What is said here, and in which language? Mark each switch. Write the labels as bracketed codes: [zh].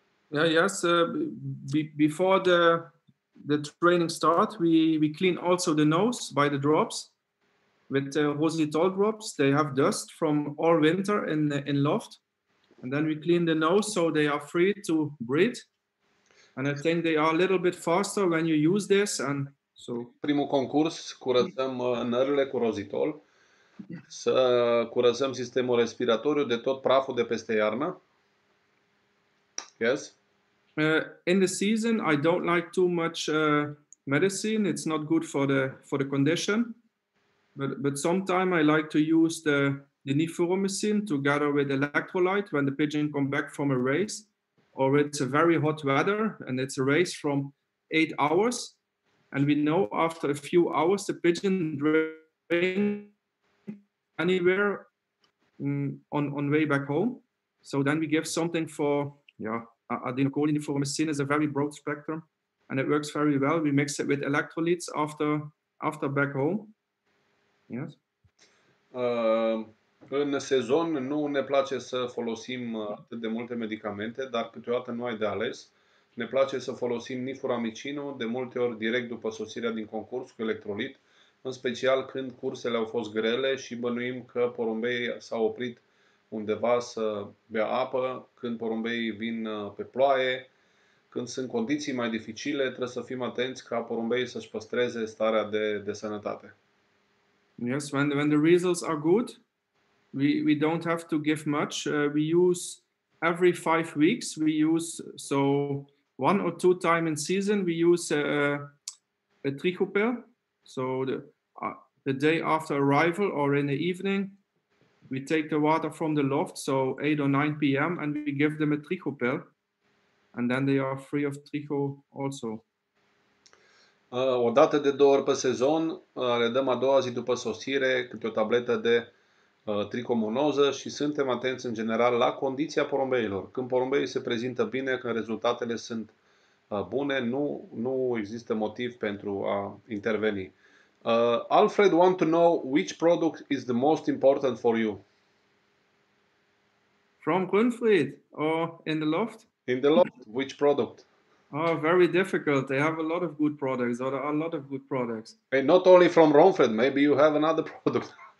[en] Yeah, yes, before the training start, we clean also the nose by the drops. With rosinitol drops, they have dust from all winter in loft. And then we clean the nose so they are free to breathe. And I think they are a little bit faster when you use this. And so. [ro] Primul concurs, curățăm nările cu rosinitol. Să curățăm sistemul respiratoriu de tot praful de peste iarnă. [en] Yes? In the season, I don't like too much medicine. It's not good for the condition. But sometimes I like to use the nifuromicin together with electrolyte when the pigeon come back from a race, or it's a very hot weather and it's a race from 8 hours, and we know after a few hours the pigeon drink anywhere on way back home. So then we give something for adenocholine. Nifuromicin is a very broad spectrum, and it works very well. We mix it with electrolytes after back home. Yes. [ro] În sezon nu ne place să folosim atât de multe medicamente, dar câteodată nu ai de ales. Ne place să folosim nifuramicinul de multe ori direct după sosirea din concurs cu electrolit, în special când cursele au fost grele și bănuim că porumbeii s-au oprit undeva să bea apă, când porumbeii vin pe ploaie, când sunt condiții mai dificile, trebuie să fim atenți ca porumbeii să-și păstreze starea de sănătate. [en] Yes, when the results are good, we don't have to give much. We use every 5 weeks, we use, so one or two times in season, we use a trichoper. So the day after arrival or in the evening, we take the water from the loft, so 8 or 9 p.m., and we give them a trichoper, and then they are free of tricho also. [ro] O dată de două ori pe sezon, le dăm a doua zi după sosire câte o tabletă de trichomonoză și suntem atenți în general la condiția porumbeilor. Când porumbeii se prezintă bine, când rezultatele sunt bune, nu există motiv pentru a interveni. [en] Alfred want to know which product is the most important for you. From Grünfried or in the loft? In the loft, which product? Oh, very difficult. They have a lot of good products. Or a lot of good products. And not only from Romford, maybe you have another product.